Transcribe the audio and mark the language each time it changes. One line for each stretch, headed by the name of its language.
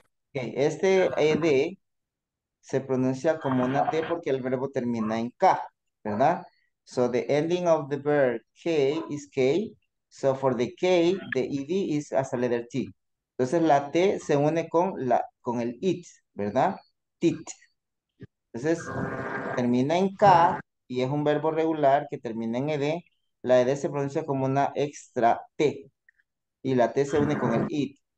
Spanish: Okay, este ed se pronuncia como una t porque el verbo termina en k, ¿verdad?
English: So the ending of the verb k is k. So for the k, the ed is as a letter t.
Spanish: Entonces la t se une con la con el it, ¿verdad? Tit. Entonces termina en k y es un verbo regular que termina en ed. La ed se pronuncia como una extra t y la t se une con el it.